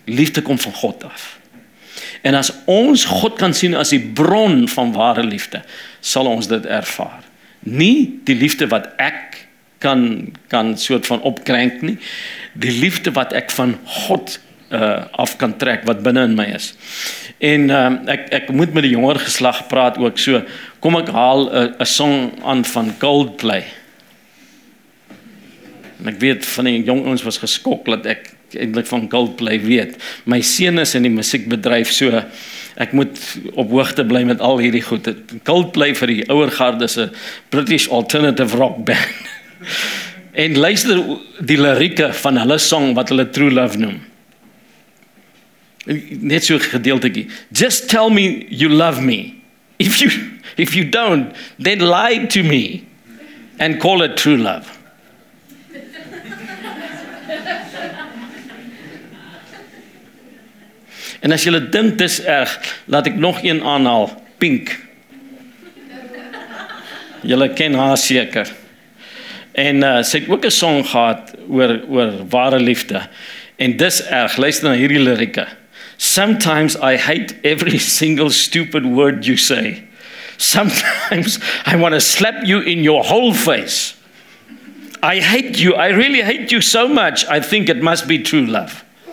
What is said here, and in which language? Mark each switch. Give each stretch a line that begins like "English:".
Afrikaans: Liefde kom van God af. En as ons God kan sien as die bron van ware liefde, sal ons dit ervaar. Nie die liefde wat ek kan soort van opkrenk nie. Die liefde wat ek van God af kan trek, wat binne in my is. En ek moet met die jonger geslag praat ook so. Kom ek haal 'n song aan van Coldplay. En ek weet van die jong ouens was geskok dat ek eintlik van Coldplay weet. My seun is in die musiekbedryf, so ek moet op hoogte bly met al hierdie goed. Coldplay vir die ouer garde is 'n
English: British alternative rock band.
Afrikaans: En luister die lirieke van hulle song wat hulle True Love noem. Net so 'n gedeeltjie.
English: Just tell me you love me. If you don't, then lie to me and call it true love.
Afrikaans: En as julle dink dis erg, laat ek nog een aanhaal, Pink. Julle ken haar seker. En sy het ook 'n song gehad oor ware liefde. En dis erg, luister na hierdie lirieke.
English: Sometimes I hate every single stupid word you say. Sometimes I want to slap you in your whole face. I hate you, I really hate you so much, I think it must be true love.